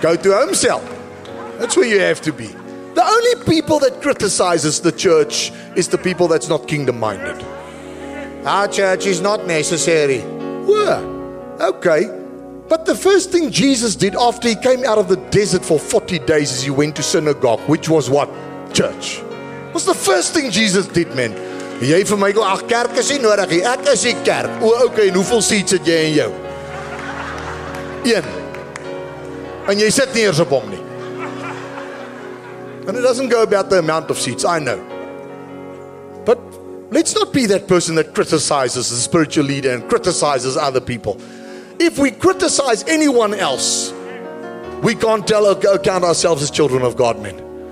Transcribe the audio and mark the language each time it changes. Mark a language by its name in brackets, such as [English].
[English] Go to homecell. That's where you have to be. The only people that criticizes the church is the people that's not kingdom-minded. Our church is not necessary. Well, okay. But the first thing Jesus did after he came out of the desert for 40 days is he went to synagogue, which was what? Church. What's the first thing Jesus did, man? [Afrikaans] Jy vir my, ag, kerk is nie nodig. Ek is die kerk. O, okay, en hoeveel seats het jy in jou? Een. En jy sit nie eers op hom nie. [English] And it doesn't go about the amount of seats, I know. But let's not be that person that criticizes the spiritual leader and criticizes other people. If we criticize anyone else, we can't tell or count ourselves as children of God, men.